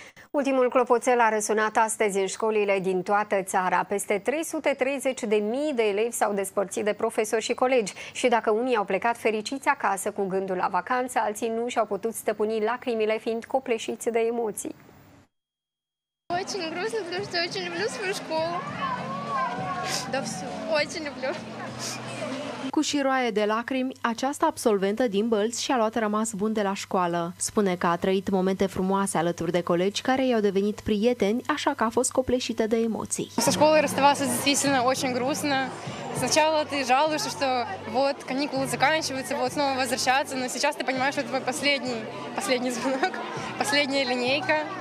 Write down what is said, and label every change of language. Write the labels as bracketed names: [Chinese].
[Romanian] Ultimul clopoțel a răsunat astăzi în școlile din toată țara. Peste 330.000 de elevi s-au despărțit de profesori și colegi. Și dacă unii au plecat fericiți acasă cu gândul la vacanță, alții nu și-au putut stăpâni lacrimile fiind copleșiți de emoții. [Russian] Очень грустно, потому что очень люблю свою школу. Да все, очень люблю. [Romanian] Cu șiroaie de lacrimi, această absolventă din Bălți și-a luat rămas bun de la școală. Spune că a trăit momente frumoase alături de colegi care i-au devenit prieteni, așa că a fost copleșită de emoții. Să școlă răstăvasă, [Russian] действительно, очень грустно. Сначала ты жалуешься, что вот каникулы заканчиваются, вот снова возвращаться, но сейчас ты понимаешь, что это твой последний звонок, последняя линейка.